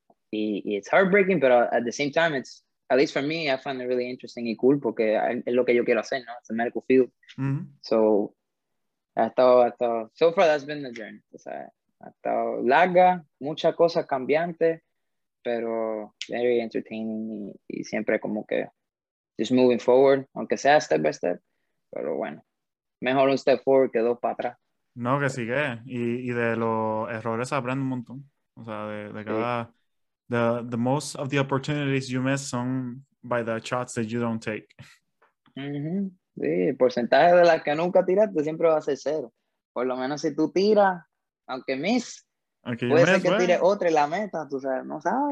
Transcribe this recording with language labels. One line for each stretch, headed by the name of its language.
English: Y it's heartbreaking, but at the same time, it's, at least for me, I find it really interesting y cool,
Spanish: porque es lo que yo quiero hacer, ¿no?
English: It's a medical field. Mm-hmm. So, so far that's been the journey.
Spanish: O sea, ha estado larga, muchas cosas cambiantes, pero
English: very entertaining
Spanish: y siempre como que
English: just moving forward,
Spanish: aunque sea
English: step by step,
Spanish: pero bueno, mejor un
English: step forward
Spanish: que dos para atrás. No, que sí que es. Y de los errores aprende un montón. O sea, de cada... Sí.
English: The most of the opportunities you miss son by the shots that you don't take. Mm-hmm.
Spanish: Sí, el porcentaje de las que nunca tiraste siempre va a ser cero. Por lo menos si tú tiras, aunque miss, okay, puede ser
English: miss,
Spanish: que well. Tire otra y la meta, tú sabes, no sabes.